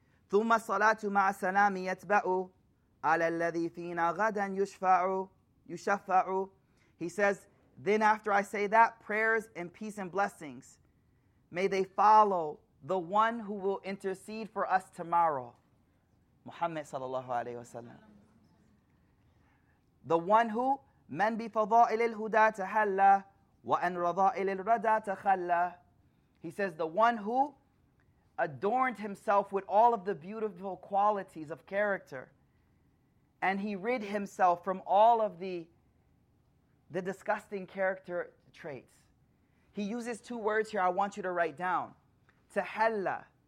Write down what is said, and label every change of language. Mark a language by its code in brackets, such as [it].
[ar] ثُمَّ الصَّلَاةُ مَعَ السَّلَامِ يَتْبَعُ عَلَى الَّذِي فِينَا غَدًا يُشْفَعُ. [en] He says, then after I say that, prayers and peace and blessings, may they follow the one who will intercede for us tomorrow. Muhammad sallallahu alayhi wa sallam. The one who, [ar] مَنْ بِفَضَائِلِ الْهُدَى تَحَلَّى وَأَنْ رَضَائِلِ الْرَدَى تَخَلَّى. [en] He says, the one who adorned himself with all of the beautiful qualities of character, and he rid himself from all of the disgusting character traits. He uses two words here I want you to write down. Tahalla.